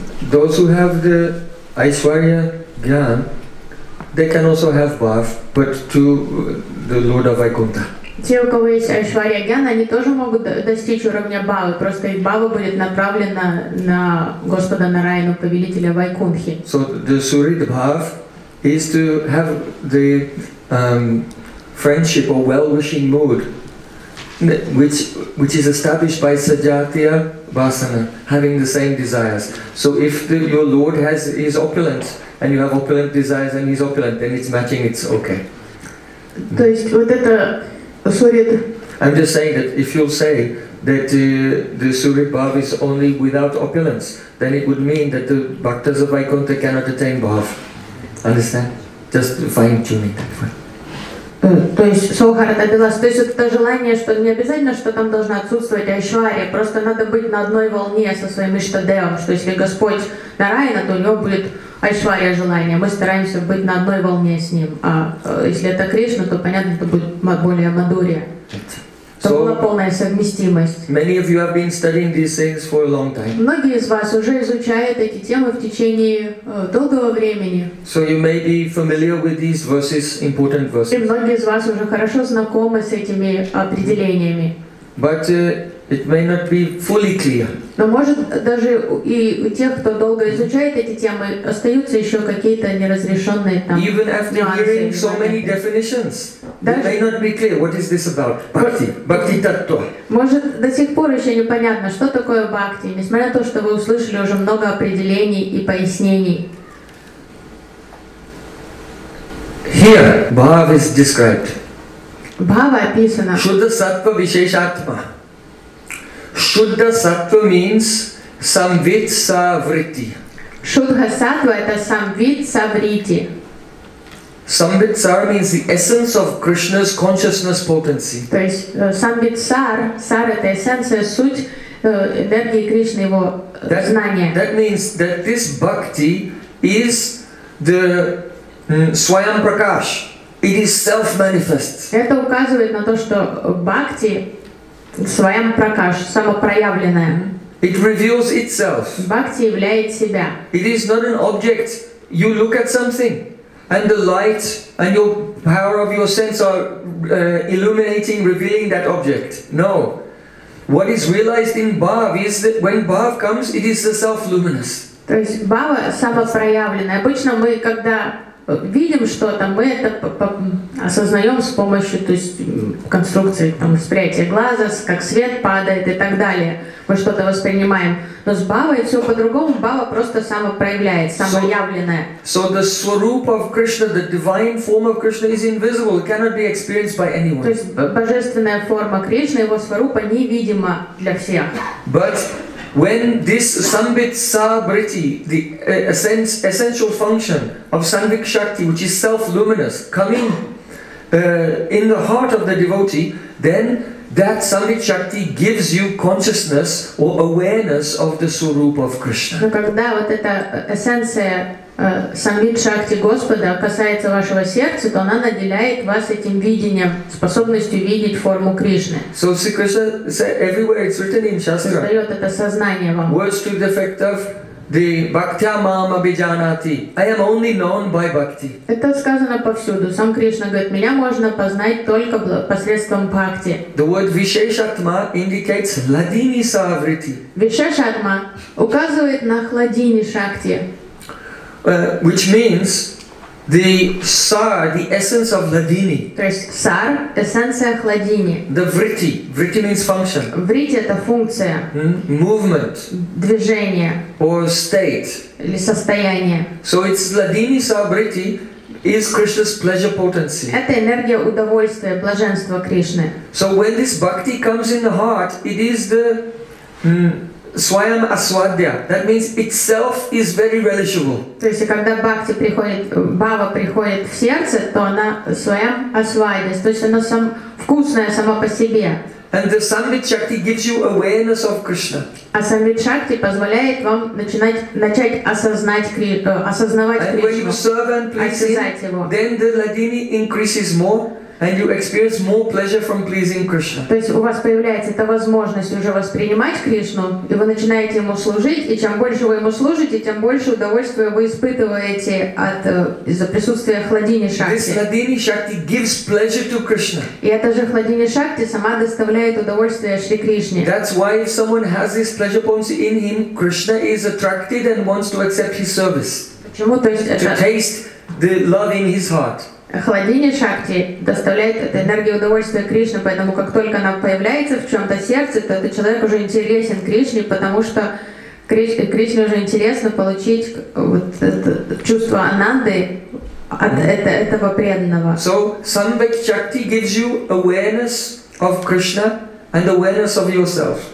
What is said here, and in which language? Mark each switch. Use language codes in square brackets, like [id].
[en] Those who have the Aishwarya Gyan, they can also have bhav, but to the Lord of Vaikuntha. [ru] Те, у кого есть Айшварья Гьяна, они тоже могут достичь уровня Бхавы, просто их Бхава будет направлена на Господа Нараяну, повелителя Вайкунхи. [en] So the Surit Bhava is to have the friendship or well-wishing mood, which is established by Sajatiya Vasana, having the same desires. So if your Lord has his opulent, and you have opulent desires and he's opulent, then it's matching, it's okay. [ru] То есть вот это Surit. [en] I'm just saying that if you'll say that the Surit Bhava is only without opulence, then it would mean that the bhaktas of Vaikuntha cannot attain Bhava. Understand? Just fine-tuning that way. [ru] То есть Сухарата Билас, то есть это желание, что не обязательно, что там должно отсутствовать Айшвария, просто надо быть на одной волне со своим Иштадеом, что если Господь Нараяна, то у него будет Айшвария желание, мы стараемся быть на одной волне с ним, а если это Кришна, то понятно, это будет более Мадурия, то была полная совместимость. [en] Many of you have been studying these things for a long time. [ru] Многие из вас уже изучают эти темы в течение долгого времени. [en] So you may be familiar with these verses, important verses. [ru] И многие из вас уже хорошо знакомы с этими определениями. [en] But it may not be fully clear. [ru] Но может даже и у тех, кто долго изучает эти темы, остаются еще какие-то неразрешенные там. [en] Even after hearing so many definitions, it may not be clear what is this about. Bhakti, bhakti tattva. [ru] Может до сих пор еще непонятно, что такое бхакти, несмотря на то, что вы услышали уже много определений и пояснений. [en] Here, bhava is described. [ru] Bhava описано. [en] Shuddha sattva visheshatma. Shuddha sattva means samvit savritti. [ru] Shuddha sattva – это samvit savritti. [en] Samvit sar means the essence of Krishna's consciousness potency. [ru] То есть samvit sar, sar – это эссенция, суть энергии Кришны, его знания. [en] That means that this bhakti is the swayam prakash. It is self-manifest. [ru] Это указывает на то, что бхакти Своем прокаж, самопроявленное. [en] It reveals itself. [ru] Бхакти являет себя. [en] It is not an object. You look at something, and the light and your power of your sense are illuminating, revealing that object. No. What is realized in Bhava is that when Bhava comes, it is the self-luminous. [ru] То есть Бхава самопроявленное. Обычно мы, когда видим что-то, мы это осознаем с помощью, то есть конструкции там восприятия глаза, как свет падает и так далее. Мы что-то воспринимаем. Но с Бхавой все по-другому, Бхава просто самопроявляет, самоявленное. [en] So the swarup of Krishna, the divine form of Krishna is invisible, it cannot be experienced by anyone. [ru] То есть божественная форма Кришны, его сварупа невидима для всех. [en] But when this samvit savritti, the essential function of samvik shakti, which is self-luminous, coming in the heart of the devotee, then that samvik shakti gives you consciousness or awareness of the surup of Krishna. [ru] Но когда вот эта эссенция самвит шакти Господа касается вашего сердца, то она наделяет вас этим видением, способностью видеть форму Кришны. [en] So Sri Krishna said everywhere it's written in Shastra. [ru] Дает это сознание вам. [en] Words to the effect of the [sa] bhaktya mam abhijanati. [en] I am only known by bhakti. [ru] Это сказано повсюду. Сам Кришна говорит, меня можно познать только посредством бхакти. [en] The word visheshatma indicates ladini savriti. [ru] Visheshatma указывает на хладини шакти. [en] Which means the sar, the essence of ladini. [ru] То есть сар, эссенция хладини. [en] The vritti. Vritti means function. [ru] Vritti – это функция. [en] Movement. [ru] Движение. [en] Or state. [ru] Или состояние. [en] So it's ladini sar vritti is Krishna's pleasure potency. [ru] Это энергия удовольствия, блаженства Кришны. [en] So when this bhakti comes in the heart, it is the Swayam Aswadhyaya, that means itself is very relishable. [ru] То есть, когда бхакти приходит, бхава приходит в сердце, то она Swayam Aswadhyaya, то есть она сам вкусная сама по себе. [en] And the Samvit Shakti gives you awareness of Krishna. [ru] А Samvit Shakti позволяет вам начать осознавать Кришну, осознавать Кришну, осознать его. [en] Then the Ladini increases more. And you experience more pleasure from pleasing Krishna. [ru] То есть у вас появляется эта возможность уже воспринимать Кришну, и вы начинаете ему служить, и чем больше вы ему служите, тем больше удовольствия вы испытываете от из-за присутствия Хладини Шакти. [en] This Хладини Шакти gives pleasure to Krishna. [ru] И эта же Хладини Шакти сама доставляет удовольствие Шри Кришне. [en] That's why if someone has these pleasure points in him, Krishna is attracted and wants to accept his service. [ru] Почему? То есть [en] to taste the love in his heart. [ru] Хладини Шакти доставляет эту энергию удовольствия Кришне, поэтому как только она появляется в чем-то сердце, то этот человек уже интересен Кришне, потому что Кришне уже интересно получить вот это чувство ананды от этого преданного. [en] So Sanvak Shakti gives you awareness of Krishna and awareness of yourself.